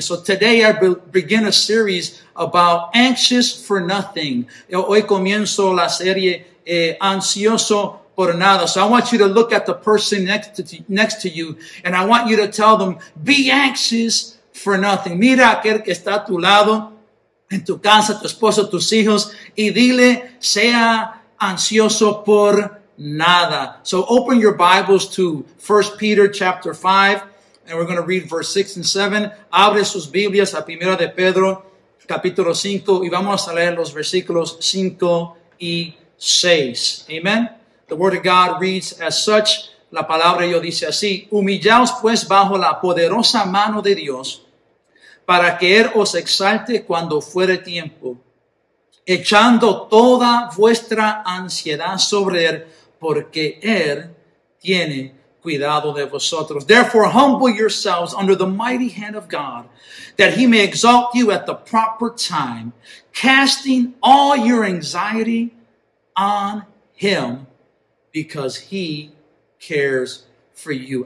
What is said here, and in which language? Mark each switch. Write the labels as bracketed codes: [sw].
[en] So today I begin a series about anxious for nothing. [es] Hoy comienzo la serie ansioso por nada. [en] So I want you to look at the person next to you, and I want you to tell them, be anxious for nothing. [es] Mira aquel que está a tu lado, en tu casa, tu esposo, tus hijos, y dile, sea ansioso por nada. [en] So open your Bibles to 1 Peter chapter 5, and we're going to read verse 6 and 7. [es] Abre sus Biblias a 1 de Pedro capítulo 5, y vamos a leer los versículos 5 y 6. Amen. [en] The word of God reads as such. [es] La palabra de Dios dice así. Humillaos pues bajo la poderosa mano de Dios para que Él os exalte cuando fuere tiempo, echando toda vuestra ansiedad sobre Él porque Él tiene cuidado de vosotros. [en] Therefore, humble yourselves under the mighty hand of God that He may exalt you at the proper time, casting all your anxiety on Him, because He cares for you.